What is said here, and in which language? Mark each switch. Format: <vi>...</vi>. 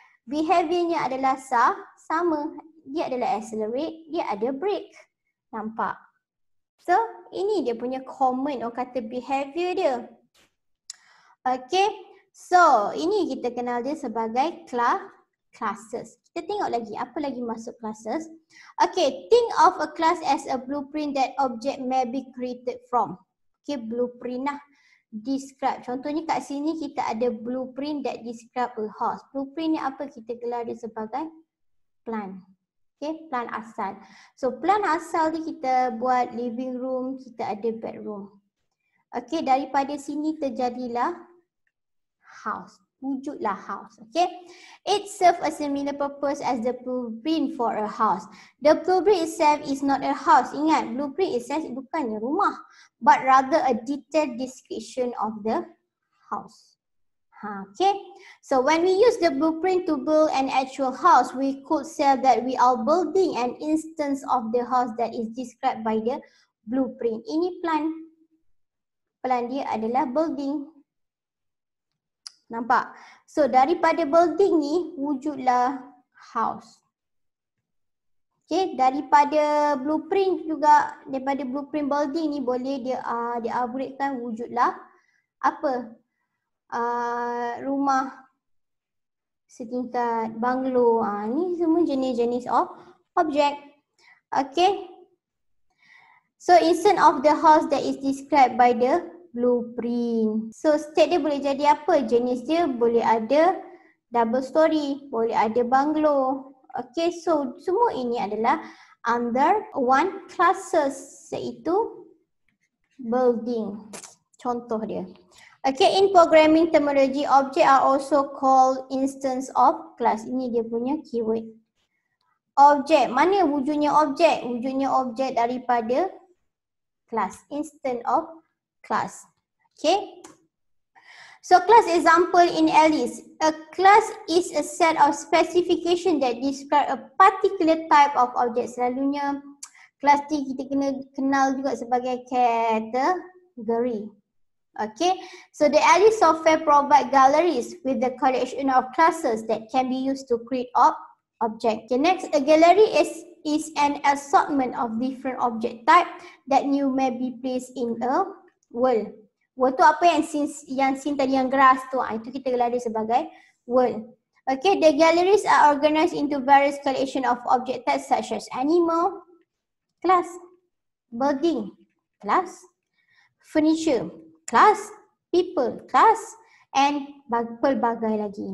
<ms>Behaviornya adalah sama. Dia adalah accelerate, dia ada brake. Nampak? So, ini dia punya common orang kata behavior dia. Okay. So, ini kita kenal dia sebagai classes. Kita tengok lagi apa lagi masuk classes.</ms> <en>Okay, think of a class as a blueprint that object may be created from.</en> <ms>Okay, blueprint lah. Describe. Contohnya kat sini kita ada blueprint</ms> <en>that describe a house.</en> <ms>Blueprint ni apa? Kita gelar dia sebagai plan. Okay, plan asal. So, plan asal ni kita buat living room, kita ada bedroom. Okay, daripada sini terjadilah house. Wujudlah house. Okay.</ms> <en>It serves a similar purpose as the blueprint for a house. The blueprint itself is not a house.</en> <ms>Ingat, blueprint itself bukannya rumah.</ms> <en>But rather a detailed description of the house. Ha, okay. So when we use the blueprint to build an actual house, we could say that we are building an instance of the house that is described by the blueprint.</en> <ms>Ini plan. Plan dia adalah building. Nampak? So, daripada building ni, wujudlah house. Okay, daripada blueprint juga, daripada blueprint building ni boleh dia diupgradekan wujudlah apa? Rumah setingkat, banglo. Ni semua jenis-jenis of object. Okay.</ms> <en>So, instance of the house that is described by the blueprint.</en> <ms>So state dia boleh jadi apa? Jenis dia boleh ada double story, boleh ada banglo. Okay, so semua ini adalah under one classes, iaitu building. Contoh dia.</ms> <en>Okay, in programming terminology, object are also called instance of class.</en> <ms>Ini dia punya keyword. Object, mana wujudnya object? Wujudnya object daripada class.</ms> <en>Instance of class.</en> <ms>Okay.</ms> <en>So class example in Alice. A class is a set of specification that describe a particular type of object.</en> <ms>Selalunya class ni kita kena kenal juga sebagai category.</ms> <en>Okay. So the Alice software provide galleries with the collection of classes that can be used to create object. Okay, next, a gallery is an assortment of different object type that you may be placed in a world.</en> <ms>World tu apa yang scene tadi yang grass tu. Itu kita gelar dia sebagai world.</ms> <en>Okay, the galleries are organized into various collection of object types such as animal, class, building, class, furniture, class, people, class and</en> <ms>pelbagai lagi.</ms>